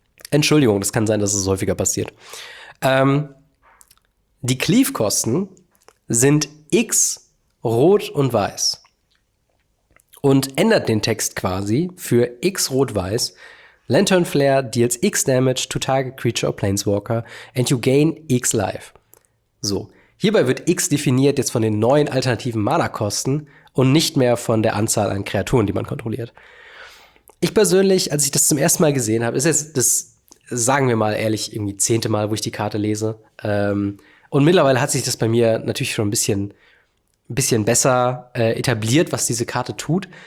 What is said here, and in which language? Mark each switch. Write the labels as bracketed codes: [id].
[de] Entschuldigung, das kann sein, dass es häufiger passiert. Die Cleave-Kosten sind X, Rot und Weiß. Und ändert den Text quasi für X, Rot, Weiß. [en] Lantern Flare deals X Damage to target creature or planeswalker and you gain X life. [de] So, hierbei wird X definiert jetzt von den neuen alternativen Mana-Kosten und nicht mehr von der Anzahl an Kreaturen, die man kontrolliert. Ich persönlich, als ich das zum ersten Mal gesehen habe, ist jetzt das, sagen wir mal ehrlich, irgendwie 10. Mal, wo ich die Karte lese. Und mittlerweile hat sich das bei mir natürlich schon ein bisschen besser etabliert, was diese Karte tut.